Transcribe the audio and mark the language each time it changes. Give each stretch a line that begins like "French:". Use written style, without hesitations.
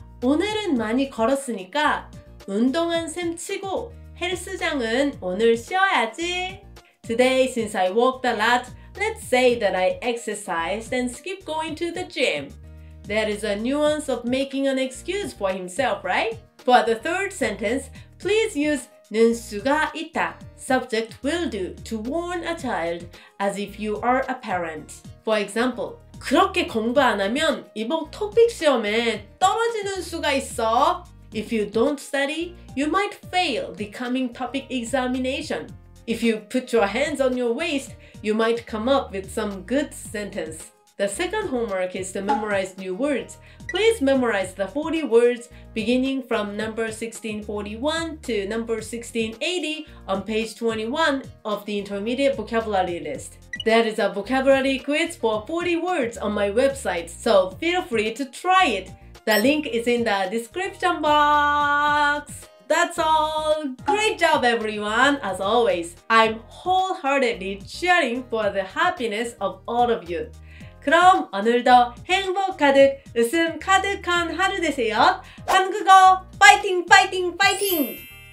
Korean: 오늘은 많이 걸었으니까 운동한 셈 치고 헬스장은 오늘 쉬어야지.
English: Today, since I walked a lot, let's say that I exercised and skip going to the gym. That is a nuance of making an excuse for himself, right? For the third sentence, please use 눈 수가 있다, subject will do, to warn a child as if you are a parent. For example,
Korean: 그렇게 공부 안 하면 이번 토픽 시험에 떨어지는 수가 있어.
English: If you don't study, you might fail the coming topic examination. If you put your hands on your waist, you might come up with some good sentence. The second homework is to memorize new words. Please memorize the 40 words beginning from number 1641 to number 1680 on page 21 of the intermediate vocabulary list. There is a vocabulary quiz for 40 words on my website, so feel free to try it. The link is in the description box. That's all. Great job, everyone. As always, I'm wholeheartedly cheering for the happiness of all of you.
Korean: 그럼 오늘도 행복 가득, 웃음 가득한 하루 되세요. 한국어 파이팅, 파이팅, 파이팅!